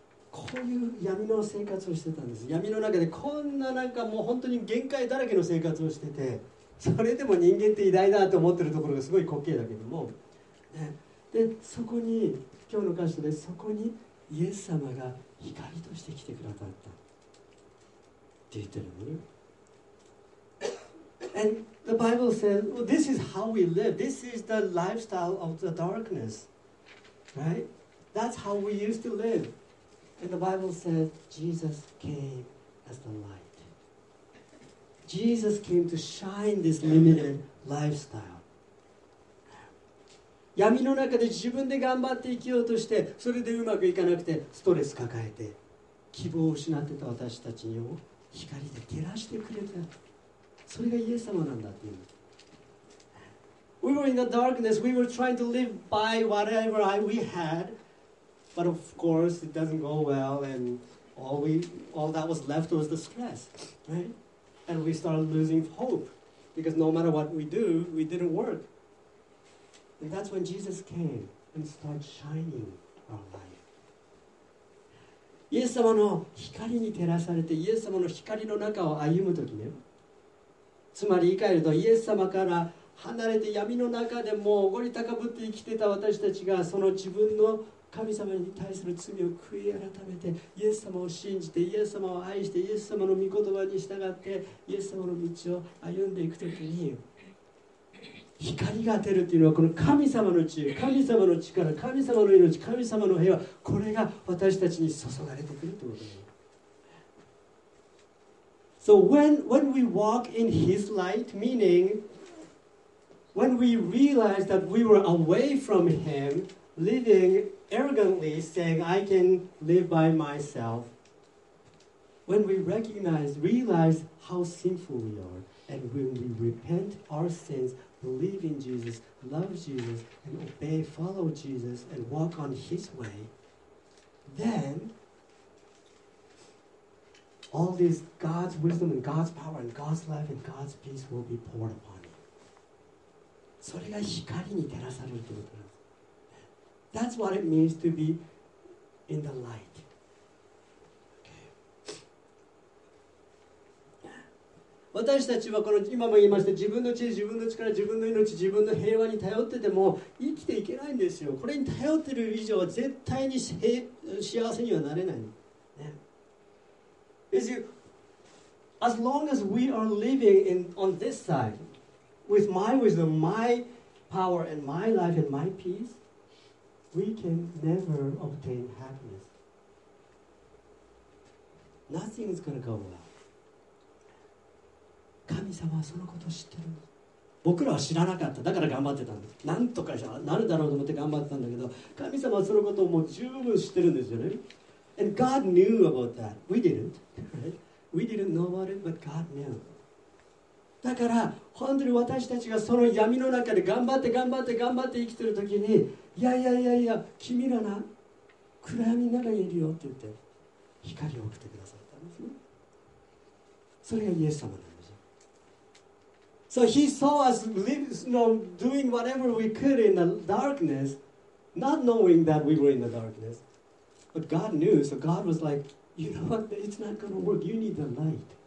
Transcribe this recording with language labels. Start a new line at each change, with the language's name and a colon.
Japanese: こういう闇の生活をしてたんです。闇の中でこんななんかもう本当に限界だらけの生活をしてて、それでも人間って偉大だと思ってるところがすごい滑稽だけども、ね、でそこに今日の箇所でそこにイエス様が光として来てくださったって言ってるのね。
English: And the Bible says, well, this is how we live. This is the lifestyle of the darkness. Right? That's how we used to live. And the Bible says, Jesus came as the light. Jesus came to shine this limited lifestyle.
Japanese: 闇の中で自分で頑張って生きようとして、それでうまくいかなくてストレス抱えて希望を失ってた私たちを光で照らしてくれた、それがイエス様なんだっていう。
English: We were in the darkness. We were trying to live by whatever we had. But of course it doesn't go well, and all that was left was the stress, right? And we started losing hope, because no matter what we do, we didn't work. And that's when Jesus came and started shining our life.
Japanese: イエス様の光に照らされて、イエス様の光の中を歩むときね、つまり言い換えるとイエス様から離れて闇の中でもおごり高ぶって生きてた私たちが、その自分の神様に対する罪を悔い改めて、イエス様を信じて、イエス様を愛して、イエス様の御言葉に従って、イエス様の道を歩んでいくときに、光が当てるっていうのは、この神様の知恵、神様の力、神様の命、神様の平和、これが私たちに注がれてくるってことです。
English: So when we walk in His light, meaning when we realize that we were away from Him, living arrogantly, saying I can live by myself, when we realize how sinful we are, and when we repent our sins. Believe in Jesus, love Jesus, and obey, follow Jesus, and walk on His way, then all this God's wisdom and God's power and God's life and God's peace will be poured upon you.
Japanese: それが光に照らされるということなんです。
English: That's what it means to be in the light.
Japanese: 私たちはこの今も言いました、自分の知恵、自分の力、自分の命、自分の平和に頼ってても生きていけないんですよ。これに頼ってる以上は絶対に幸せにはなれない、ね、
English: Is you, as long as we are living in, on this side with my wisdom, my power and my life and my peace, we can never obtain happiness. Nothing is going to go well.
Japanese: 神様はそのことを知ってるんです。僕らは知らなかった、だから頑張ってたんです。なんとかなるだろうと思って頑張ってたんだけど、神様はそのことをもう十分知ってるんですよね。
English: And God knew about that. We didn't.、Right? We didn't know about it, but God knew.
Japanese: だから本当に私たちがその闇の中で頑張って頑張って頑張って生きてる時に、いやいやいやいや、君らな、暗闇の中にいるよって言って光を送ってくださったんですね。それがイエス様なんです。
English: So he saw us live, you know, doing whatever we could in the darkness, not knowing that we were in the darkness. But God knew, so God was like, you know what, it's not going to work, you need the light.